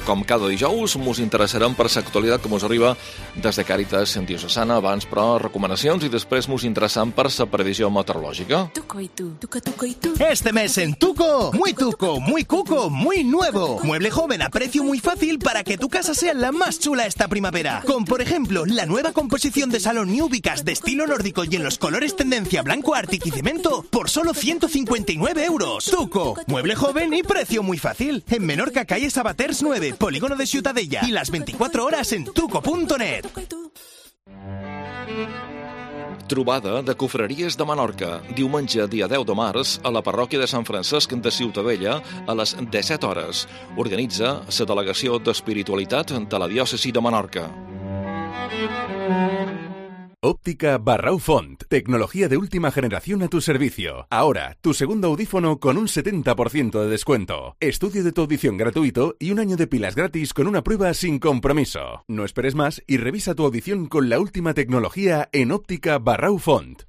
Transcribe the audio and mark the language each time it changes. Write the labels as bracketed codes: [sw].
[ca] Com cada dijous, mos interessarem per l'actualitat que mos arriba des de Càritas Diocesana. Abans, però, recomanacions i després mos interessem per la previsió meteorològica. [es] Tuco i tu. Tuco, tuco i tu. Este mes en Tuco. Muy tuco, muy cuco, muy nuevo. Mueble joven a precio muy fácil para que tu casa sea la más chula esta primavera. Con, por ejemplo, la nueva composición de salón New Vicas de estilo nórdico y en los colores tendencia blanco, ártic y cemento por solo 159 euros. Tuco, mueble joven y precio muy fácil. En Menorca, calle Sabaters 9, polígono de Ciutadella. Y las 24 horas en tuco.net. [ca] Trobada de cofreries de Menorca, diumenge, dia 10 de març, a la parròquia de Sant Francesc de Ciutadella, a les 17 hores. Organitza la delegació d'espiritualitat de la diòcesi de Menorca. [es] Óptica Barraufont. Tecnología de última generación a tu servicio. Ahora, tu segundo audífono con un 70% de descuento. Estudio de tu audición gratuito y un año de pilas gratis con una prueba sin compromiso. No esperes más y revisa tu audición con la última tecnología en Óptica Barraufont.